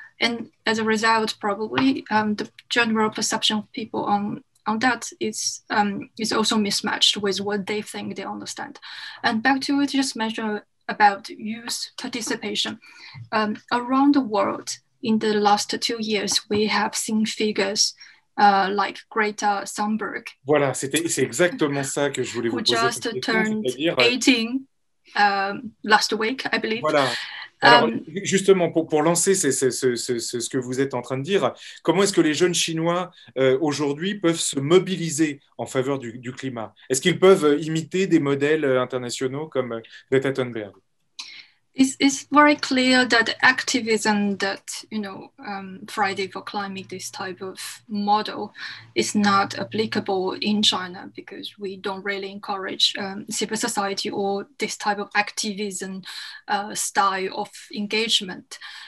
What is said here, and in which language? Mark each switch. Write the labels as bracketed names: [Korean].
[English] And as a result, probably the general perception of people on that is also mismatched with what they think they understand. And back to what you just mentioned about youth participation, around the world in the last 2 years, we have seen figures like Greta Thunberg. [French] Voilà, c'est exactement ça que je voulais vous poser. [English] Who just turned 18 last week, I believe. [French] Voilà. Alors, justement, pour lancer ce que vous êtes en train de dire, comment est-ce que les jeunes Chinois, aujourd'hui, peuvent se mobiliser en faveur du climat? Est-ce qu'ils peuvent imiter des modèles internationaux comme Greta Thunberg? [English] It's very clear that activism that, you know, Friday for Climate, this type of model, is not applicable in China because we don't really encourage civil society or this type of activism style of engagement.